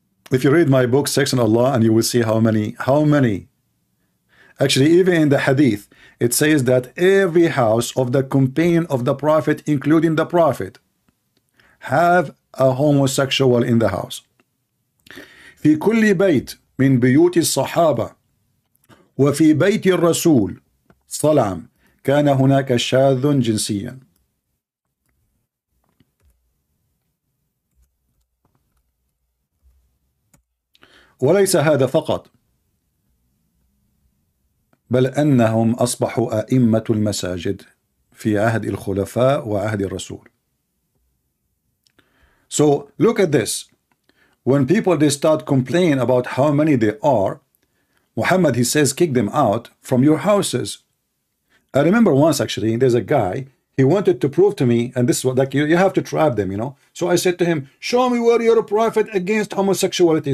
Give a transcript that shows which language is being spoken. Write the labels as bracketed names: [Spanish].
[English] If you read my book, Sex and Allah, and you will see how many. Actually, even in the hadith, it says that every house of the companion of the Prophet, including the Prophet, have a homosexual in the house. [Arabic] في كل بيت من بيوت الصحابة وفي بيت الرسول صلى الله عليه وسلم كان هناك شاذ جنسيا. وليس هذا فقط بل أنهم أصبحوا أئمة المساجد في عهد الخلفاء وعهد الرسول. [English] So look at this. When people they start complaining about how many they are, Muhammad he says kick them out from your houses. I remember once actually there's a guy, he wanted to prove to me, and this is what, like you have to trap them, you know. So I said to him, show me where you're a prophet against homosexuality.